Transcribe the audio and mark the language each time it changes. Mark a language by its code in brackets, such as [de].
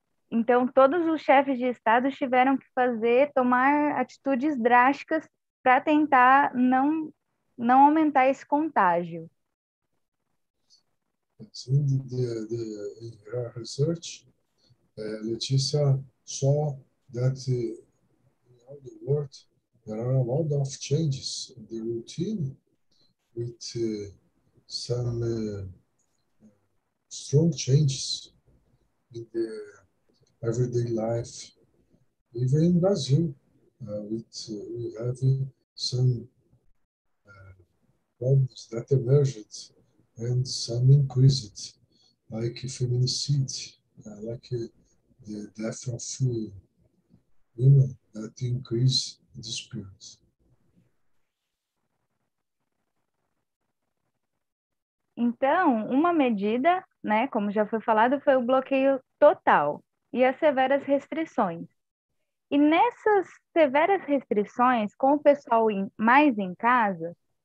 [pt] Então, todos os chefes de Estado tiveram que tomar atitudes drásticas para tentar não aumentar esse contágio. [en] In her research, Letícia saw that in all the world there are a lot of changes in the routine with some strong changes in the everyday life. Even in Brazil, we have some problems that emerged and some increased, like feminicide, like the death of women that increase this period. [pt] Então, uma medida, né, como já foi falado, foi o bloqueio total e as severas restrições. E nessas severas restrições, com o pessoal mais em casa,